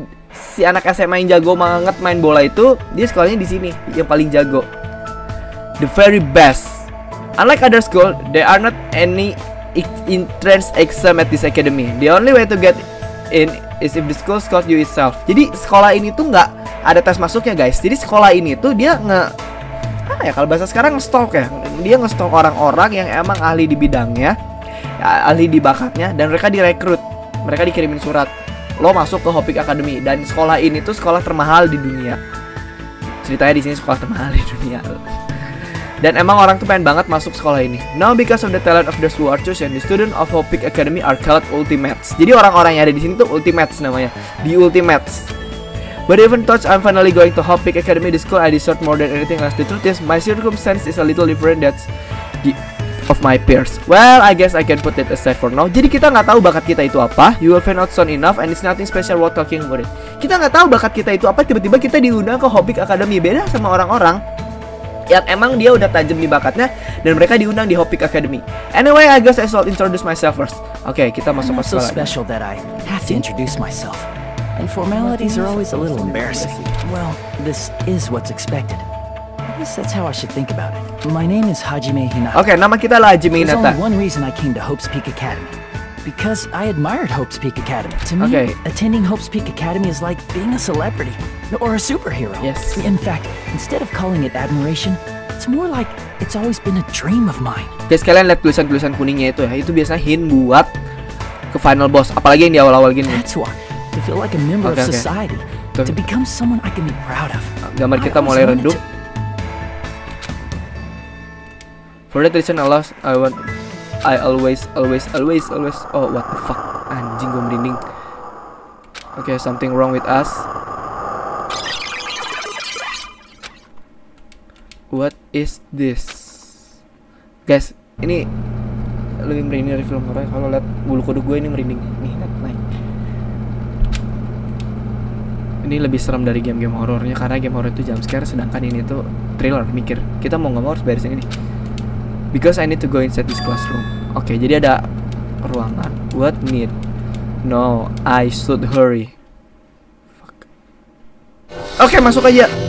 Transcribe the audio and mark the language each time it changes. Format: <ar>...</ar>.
<id>Si anak SMA yang jago banget main bola itu, dia sekolahnya di sini, yang paling jago.</id> <en>The very best. Unlike other school, there are not any entrance exam at this academy. The only way to get in is if the school scout you itself.</en> <id>Jadi sekolah ini tuh enggak ada tes masuknya, guys. Jadi sekolah ini tuh dia kalau bahasa sekarang nge-stalk ya. Dia nge-stalk orang-orang yang emang ahli di bidangnya, ahli di bakatnya, dan mereka direkrut. Mereka dikirimin surat, "Lo masuk ke Hope Peak Academy." Dan sekolah ini tuh sekolah termahal di dunia. Ceritanya di sini sekolah termahal di dunia. Dan emang orang tuh pengen banget masuk sekolah ini.</id> <en>Now because of the talent of the who are chosen, the student of Hope Peak Academy are called ultimates.</en> <id>Jadi orang-orang yang ada di sini tuh ultimates namanya.</id> <en>The ultimates. But even though I'm finally going to Hope Peak Academy, the school I deserve more than anything else. The truth is, my circumstance is a little different than the of my peers. Well, I guess I can put it aside for now.</en> <id>Jadi kita nggak tahu bakat kita itu apa.</id> <en>You will find out soon enough, and it's nothing special worth talking about it.</en> <id>Kita nggak tahu bakat kita itu apa. Tiba-tiba kita diundang ke Hope Peak Academy. Beda sama orang-orang yang emang dia udah tajam di bakatnya, dan mereka diundang di Hope Peak Academy.</id> <en>Anyway, I guess I should introduce myself first.</en> <id>Oke, okay, kita masuk ke sekolah.</id> <en>So special that I have to introduce myself. And formalities are always a little embarrassing. Well, this is what's expected. I guess that's how I should think about it. My name is Hajime Hinata.</en> <id>Okay, nama kita adalah Hajime Hinata.</id> <en>There's only one reason I came to Hope's Peak Academy. Because I admired Hope's Peak Academy. To me, okay, attending Hope's Peak Academy is like being a celebrity or a superhero. Yes. In fact, instead of calling it admiration, it's more like it's always been a dream of mine.</en> <id>Guys, kalian lihat tulisan-tulisan kuningnya itu ya. Itu biasanya Hin buat ke final boss. Apalagi yang di awal-awal gini.</id> <en>That's why. To feel like a member of society, to become someone I can be proud of.</en> <id>Gambar kita mulai redup.</id> <en>For that reason, I always. Oh, what the fuck?</en> <id>Anjing, gue merinding.</id> <en>Okay, something wrong with us. What is this, guys?</en> <id>Ini lebih merinding dari film horor. Kalau lihat bulu kuduk gue ini merinding. Nih, naik. Ini lebih serem dari game-game horornya, karena game horor itu jump scare, sedangkan ini tuh thriller. Mikir, kita mau nggak mau harus beresin ini.</id> <en>Because I need to go inside this classroom. Okay,</en> <id>jadi ada ruangan.</id> <en>What need? No, I should hurry. Fuck. Okay,</en> <id>masuk aja.</id>